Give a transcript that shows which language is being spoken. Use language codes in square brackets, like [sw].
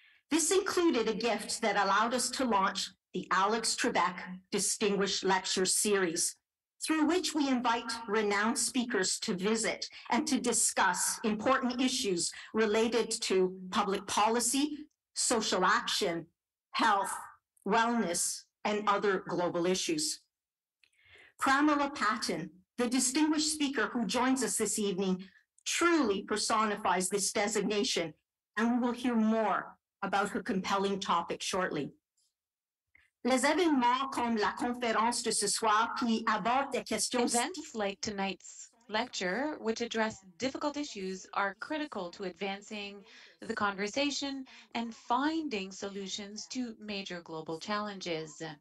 [en] This included a gift that allowed us to launch the Alex Trebek Distinguished Lecture Series, through which we invite renowned speakers to visit and to discuss important issues related to public policy, social action, health, wellness, and other global issues. Pramila Patten, the distinguished speaker who joins us this evening, truly personifies this designation, and we will hear more about her compelling topic shortly. [fr] Les événements comme la conférence de ce soir qui aborde des questions. [en] Events like tonight's lecture, which address difficult issues, are critical to advancing the conversation and finding solutions to major global challenges.